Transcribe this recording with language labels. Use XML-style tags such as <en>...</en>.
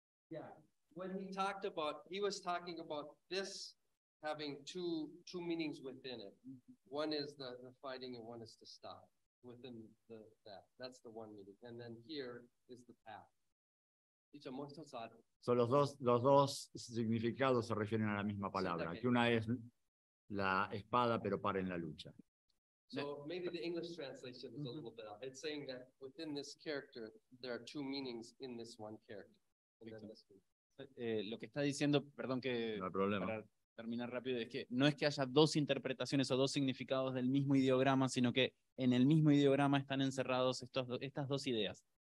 <en>Yeah, when he was talking about this having two meanings within it. Mm-hmm. One is the fighting and one is to stop within that's the one meaning. And then here is the path.</en> <es>So los dos significados se refieren a la misma palabra, que una es la espada, pero para en la lucha.</es> <en>So maybe the English translation is a little bit off. It's saying that within this character there are two meanings in this one character.</en> <es>Lo que está diciendo, perdón que no hay problema. Para terminar rápido, es que no es que haya dos interpretaciones o dos significados del mismo ideograma, sino que en el mismo ideograma están encerrados estas dos ideas.</es>